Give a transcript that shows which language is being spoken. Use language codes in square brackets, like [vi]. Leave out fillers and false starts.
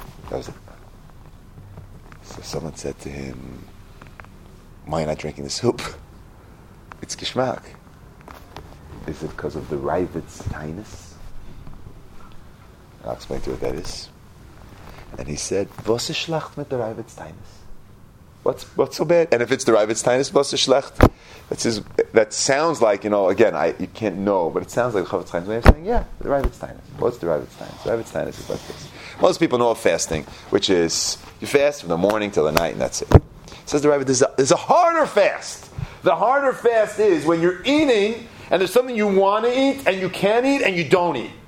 [en] That was it. So someone said to him, why am I drinking the soup? It's geschmack. Is it because of the Reivitz tainus? I'll explain to you what that is. And he said, [yi] was ist schlecht mit der Reivitz tainus? [en] What's so bad? And if it's the Reivitz tainus, [yi] was ist schlecht? [en] That sounds like, you know, again, you can't know, but it sounds like the Chofetz Chaim's way of saying, yeah, the Reivitz tainus. What's the Reivitz tainus? Reivitz tainus is like this. Most people know of fasting, which is you fast from the morning till the night, and that's it. Says the rabbi, there's a harder fast. The harder fast is when you're eating and there's something you want to eat and you can't eat and you don't eat.